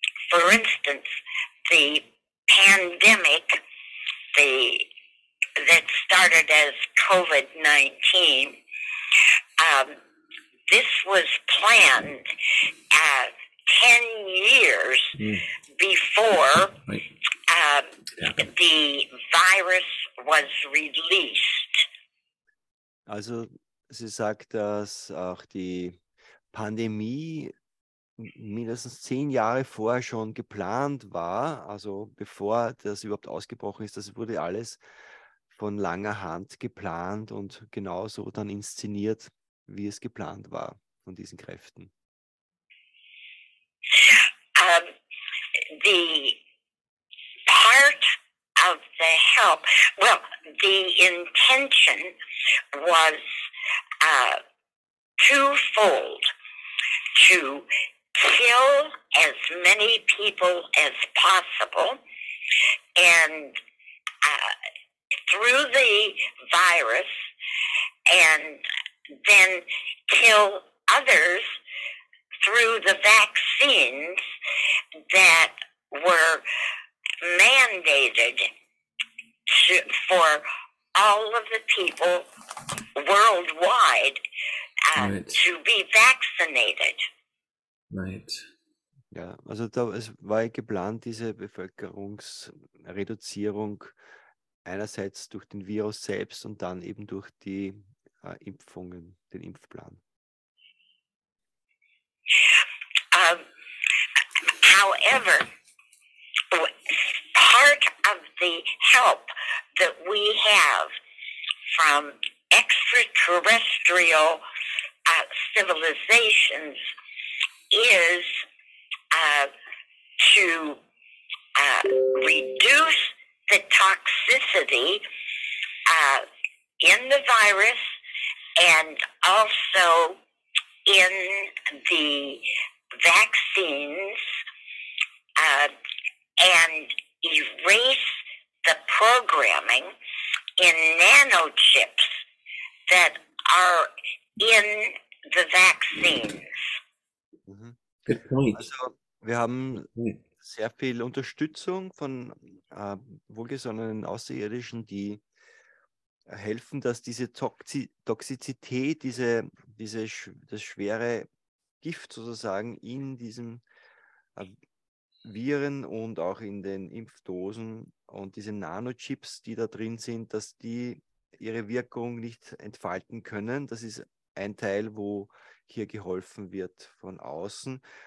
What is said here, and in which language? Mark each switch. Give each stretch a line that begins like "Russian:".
English: For instance, the pandemic that started as COVID-19, this was planned 10 years before the virus was released.
German: Also sie sagt, dass auch die Pandemie mindestens 10 Jahre vorher schon geplant war, also bevor das überhaupt ausgebrochen ist. Das wurde alles von langer Hand geplant und genauso dann inszeniert, wie es geplant war von diesen Kräften.
English: The part of the help, well, the intention was twofold: to kill as many people as possible, and through the virus, and then kill others through the vaccines that were mandated for all of the people worldwide to be vaccinated. Right.
German: Ja, also es war geplant, diese Bevölkerungsreduzierung einerseits durch den Virus selbst und dann eben durch die Impfungen, den Impfplan.
English: However, part of the help that we have from extraterrestrial civilizations is to reduce the toxicity in the virus and also in the vaccines and erase the programming in nanochips that are in the vaccines. Good point.
German: Also, wir haben sehr viel Unterstützung von wohlgesonnenen Außerirdischen, die helfen, dass diese Toxizität, das schwere Gift sozusagen in diesen Viren und auch in den Impfdosen und diese Nanochips, die da drin sind, dass die ihre Wirkung nicht entfalten können. Das ist ein Teil, wo hier geholfen wird von außen.